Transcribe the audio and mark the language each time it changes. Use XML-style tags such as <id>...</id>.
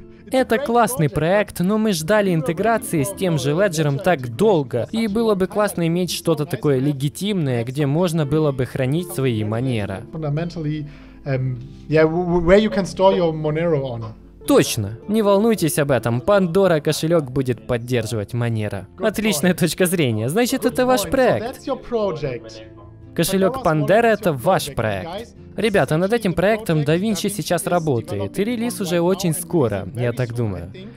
<ru>Это классный проект, но мы ждали интеграции с тем же Ledger так долго, и было бы классно иметь что-то такое легитимное, где можно было бы хранить свои Monero.</ru> <en>Where you can store your Monero on.</en> <ru>Точно. Не волнуйтесь об этом. Pandora кошелек будет поддерживать Monero. Отличная точка зрения. Значит, это ваш проект. Кошелек Pandora — это ваш проект. Ребята, над этим проектом DaVinci сейчас работает, и релиз уже очень скоро, я так думаю.</ru>